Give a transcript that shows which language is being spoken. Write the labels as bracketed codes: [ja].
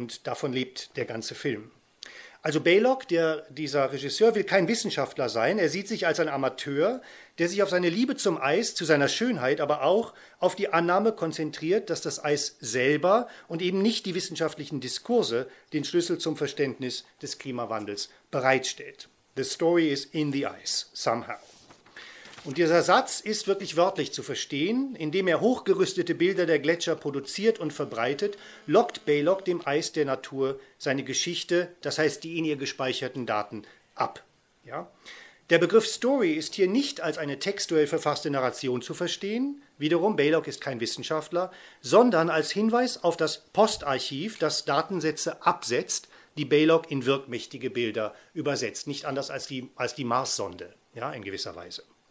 [de] Und davon lebt der ganze Film. Also Balog, dieser Regisseur, will kein Wissenschaftler sein. Er sieht sich als ein Amateur, der sich auf seine Liebe zum Eis, zu seiner Schönheit, aber auch auf die Annahme konzentriert, dass das Eis selber und eben nicht die wissenschaftlichen Diskurse den Schlüssel zum Verständnis des Klimawandels bereitstellt. [en] The story is in the ice, somehow. [de] Und dieser Satz ist wirklich wörtlich zu verstehen. Indem er hochgerüstete Bilder der Gletscher produziert und verbreitet, lockt Balog dem Eis der Natur seine Geschichte, das heißt die in ihr gespeicherten Daten, ab. Ja? Der Begriff Story ist hier nicht als eine textuell verfasste Narration zu verstehen, wiederum Balog ist kein Wissenschaftler, sondern als Hinweis auf das Postarchiv, das Datensätze absetzt, die Balog in wirkmächtige Bilder übersetzt, nicht anders als die Marssonde, ja, in gewisser Weise.